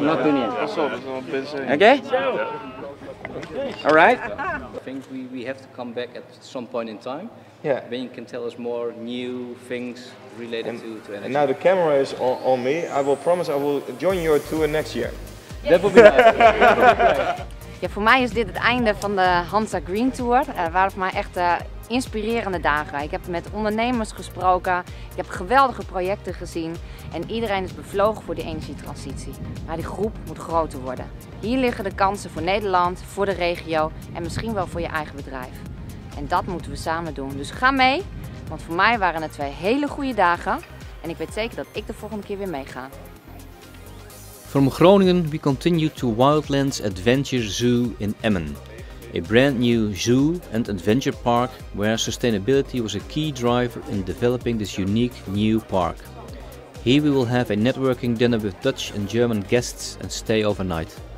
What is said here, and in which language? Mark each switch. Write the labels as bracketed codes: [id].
[en] not too near. Okay? All right. I think we have to come back at some point in time. Yeah. Then you can tell us more new things related to energy. And now the camera is on me. I will promise I will join your tour next year. Yeah. That will be nice. [nl] Ja, voor mij is dit het einde van de Hansa Green Tour. Waren voor mij echt inspirerende dagen. Ik heb met ondernemers gesproken. Ik heb geweldige projecten gezien. En iedereen is bevlogen voor de energietransitie. Maar die groep moet groter worden. Hier liggen de kansen voor Nederland, voor de regio en misschien wel voor je eigen bedrijf. En dat moeten we samen doen. Dus ga mee, want voor mij waren het twee hele goede dagen. En ik weet zeker dat ik de volgende keer weer meega. [en] From Groningen we continue to Wildlands Adventure Zoo in Emmen, a brand new zoo and adventure park where sustainability was a key driver in developing this unique new park. Here we will have a networking dinner with Dutch and German guests and stay overnight.